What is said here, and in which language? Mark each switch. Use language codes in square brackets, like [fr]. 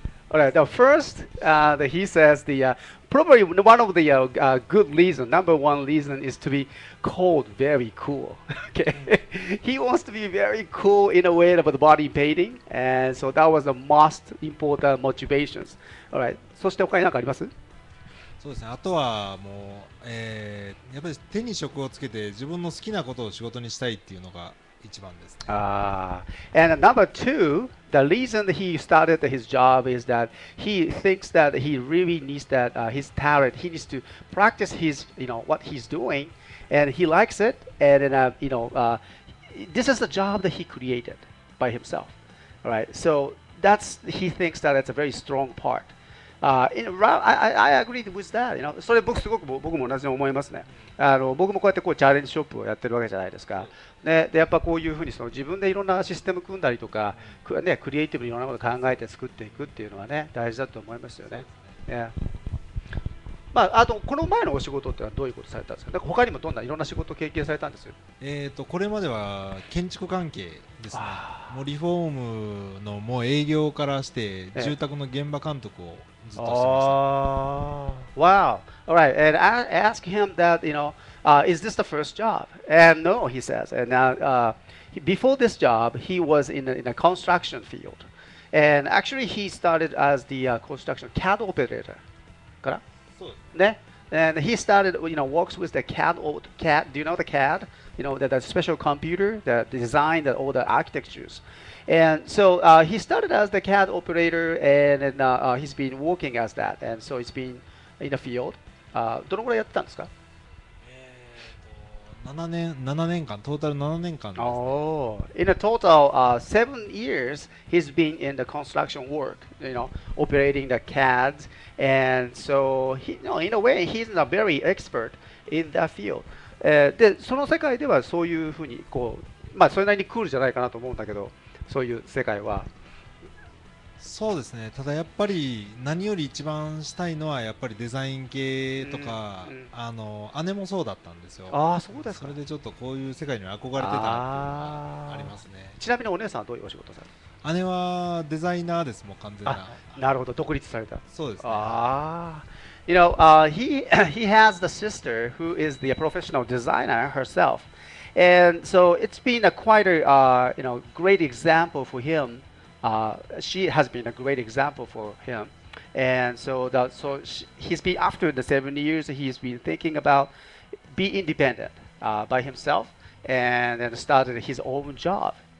[en] Alright, the first that he says the probably one of the good reason, number one reason is to be called very cool. Okay, he wants to be very cool in a way about the body painting, and so that was the most important motivations. [ja] Alright, そして他に何かあります？そうですね。あとはもう、やっぱり手に職をつけて自分の好きなことを仕事にしたいっていうのが一番ですね。 [en] And number two. The reason he started his job is that he thinks that he really needs that his talent. He needs to practice his, what he's doing, and he likes it. And then, this is the job that he created by himself. All right. So that's he thinks that it's a very strong part. I agree with that. [ja] それ僕すごく僕も同じに思いますね。僕もこうやってこうチャレンジショップをやってるわけじゃないですか。でやっぱこういうふうにその自分でいろんなシステム組んだりとか、ね、クリエイティブにいろんなことを考えて作っていくっていうのはね大事だと思いますよね。まあ、あとこの前のお仕事ってのはどういうことされたんですか。なんか他にもどんないろんな仕事を経験されたんですよ。これまでは建築関係ですね。もうリフォームのもう営業からして住宅の現場監督をずっとしてました。 [en] Wow. All right. And I ask him that, is this the first job? And no, he says. And now, before this job, he was in a construction field. And actually, he started as the construction CAD operator. からね、and he started, works with the CAD. Do you know the CAD? That special computer that designed all the architectures. And so he started as the CAD operator, and he's been working as that. And so he's been in the field. [ja] どのぐらいやってたんですか？ 7年間、トータル7年間ですね。 [en] Oh, in a total, 7 years, he's been in the construction work, operating the CADs. And so, in a way, he's a very expert in that field. [ja] でその世界ではそういうふうにこう、まあ、それなりにクールじゃないかなと思うんだけど、そういう世界は。そうですね、ただやっぱり何より一番したいのはやっぱりデザイン系とか、うんうん、あの姉もそうだったんですよ。ああそうですか。それでちょっとこういう世界に憧れてたってありますね。ちなみにお姉さんはどういうお仕事されて。姉はデザイナーですもん、完全な。なるほど、独立された。そうですね。 [en] ああ You know, he has the sister who is the professional designer herself. And so it's been a quite a you know, great example for him. She has been a great example for him. And so that, so she, he's been, after the 7 years, he's been thinking about be independent by himself and then started his own job.